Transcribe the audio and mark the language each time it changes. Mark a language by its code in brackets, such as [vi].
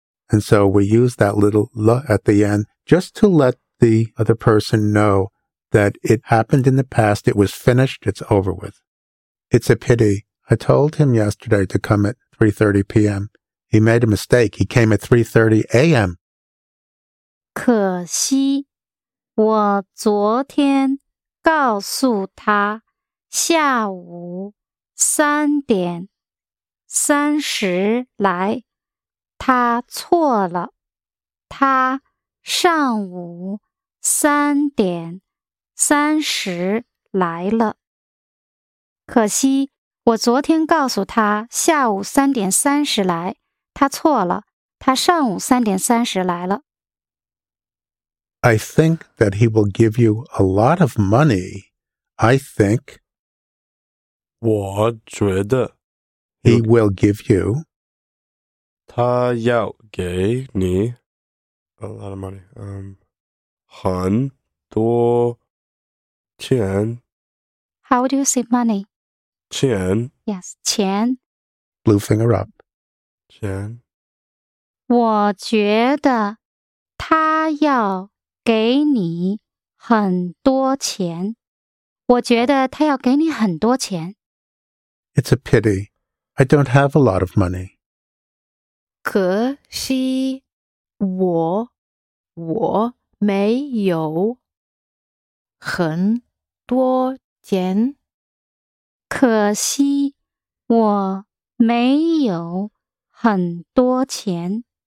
[en] And so we use that little 了 at the end just to let the other person know that it happened in the past, it was finished, it's over with. It's a pity. I told him yesterday to come at 3:30 p.m. He made a mistake. He came at 3:30 a.m. [zh] 可惜我昨天告诉他下午三点三十来他错了他上午三点三十来了可惜我昨天告诉他下午三点三十来他错了他上午三点三十来了 [en] I think that he will give you a lot of money I think [zh] 我觉得 [en] He will give you [zh] 他要给你 [en] A lot of money [zh] 很多钱 [en] How do you say money? [zh] 钱 [en] Yes, 钱 Blue finger up [zh] 钱我觉得他要给你很多钱。我觉得他要给你很多钱。 [en] It's a pity. I don't have a lot of money. [zh] 可惜我没有很多钱。可惜我没有很多钱。